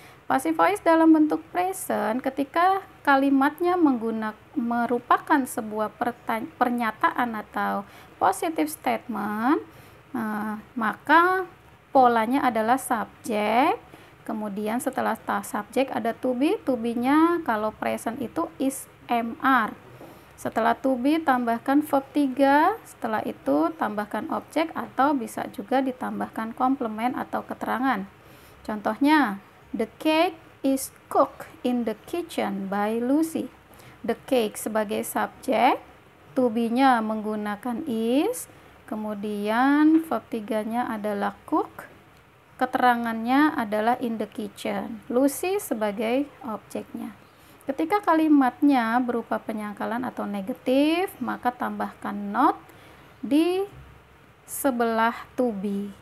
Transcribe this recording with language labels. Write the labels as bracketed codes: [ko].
[id] Passive voice dalam bentuk present, ketika kalimatnya merupakan sebuah pernyataan atau positive statement, maka polanya adalah subjek, kemudian setelah subjek ada to be, to be-nya kalau present itu is MR. Setelah to be tambahkan verb 3, setelah itu tambahkan objek atau bisa juga ditambahkan komplement atau keterangan. [en] Contohnya, the cake is cooked in the kitchen by Lucy. [id] The cake sebagai subjek, to be-nya menggunakan is, kemudian verb 3-nya adalah cook, keterangannya adalah [en] in the kitchen. [id] Lucy sebagai objeknya. Ketika kalimatnya berupa penyangkalan atau negatif, maka tambahkan not di sebelah to be.